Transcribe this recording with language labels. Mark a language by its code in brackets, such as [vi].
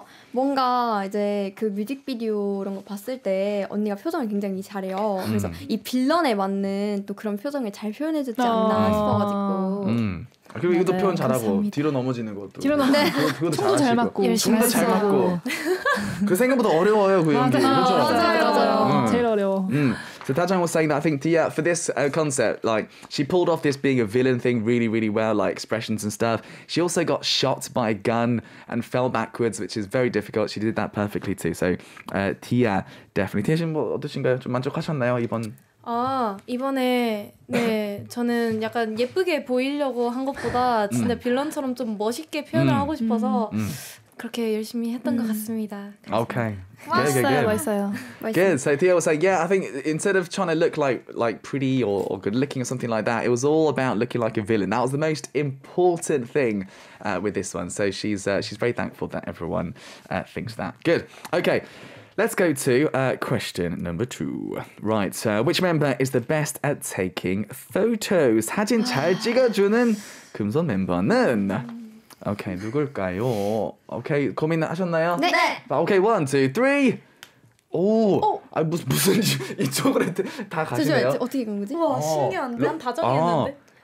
[ko] 뭔가 이제 그 뮤직비디오 이런 거 봤을 때 언니가 표정을 굉장히 잘해요. 그래서 이 빌런에 맞는 또 그런 표정을 잘 표현해주지 않나 싶어가지고. 그리고 맞아요. 이것도 표현 잘하고 감사합니다. 뒤로 넘어지는 것도 뒤로 넘어지는 것도 잘 맞고 춤도 잘 맞고 그 생각보다 어려워요 그 연기. 맞아요. 그렇죠? 맞아요. 맞아요. 맞아요. 제일 어려워. [en] So Tajang was saying that I think Tia, for this concept, like, she pulled off this being a villain thing really, really well, like expressions and stuff. She also got shot by a gun and fell backwards, which is very difficult. She did that perfectly too. So Tia, definitely. Tia, [ko] 뭐 어떠신가요? 좀 만족하셨나요 이번? 아, 이번에 네 저는 약간 예쁘게 보이려고 한 것보다 진짜 빌런처럼 좀 멋있게 표현을 하고 싶어서 그렇게 열심히 했던 것 같습니다. 오케이. Okay. 멋있어요, 멋있어요. [en] Good. So Tia was like, yeah, I think instead of trying to look like pretty or good looking or something like that, it was all about looking like a villain. That was the most important thing with this one. So she's very thankful that everyone thinks that. Good. Okay. Let's go to question number two. Right, which member is the best at taking photos? [ko] 사진 잘 찍어주는 금손 멤버는? Okay, 누굴까요? Okay, 고민하셨나요? 네! [en] Okay, one, two, three! 오! 오. [ko] 아, 무슨 이쪽으로 다 가시네요? 어떻게 간 거지? 와, 신기한데? 난 다정이었는데?